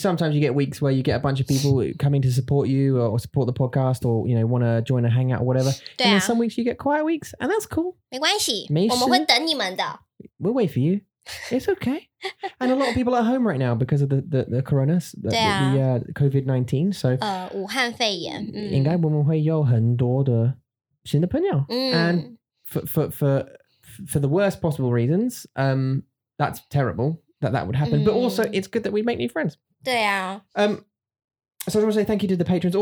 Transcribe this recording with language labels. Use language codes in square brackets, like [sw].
[en] Sometimes you get weeks where you get a bunch of people coming to support you or support the podcast or, you know, want to join a hangout or whatever. [zh] 对啊。 [en] And then some weeks you get quiet weeks and that's cool. [zh] 没关系。没事。我们会等你们的。 [en] We'll wait for you. It's okay. And a lot of people are home right now because of the corona, COVID-19. So, [zh] 武汉肺炎。应该我们会有很多的新的朋友。 [en] And for the worst possible reasons, that's terrible that would happen. But also, it's good that we make new friends. [zh] 对啊。 [en] So I just want to say thank you to the patrons.